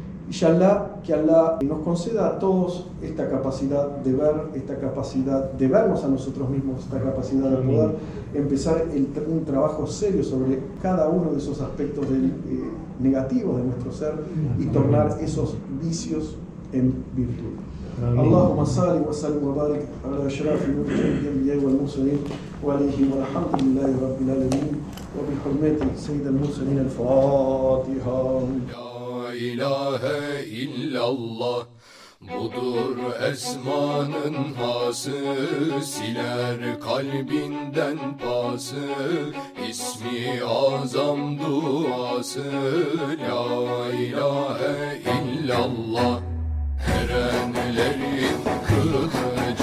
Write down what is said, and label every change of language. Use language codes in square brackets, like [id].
[es] Y Allah, que Allah nos conceda a todos esta capacidad de ver, esta capacidad de vernos a nosotros mismos, esta capacidad de poder empezar un trabajo serio sobre cada uno de esos aspectos negativos de nuestro ser y tornar esos vicios en virtud. [ar] اللهم صل وسلم وبارك على اشرف الانبياء والمرسلين وعليه ورحمة الله رب العالمين وبحرمة سيد المرسلين الفاتحة. لا إله إلا الله [tr] budur esmanın hası, siler kalbinden pası, ismi azam duası, la ilahe illallah, her enlerin kılığı.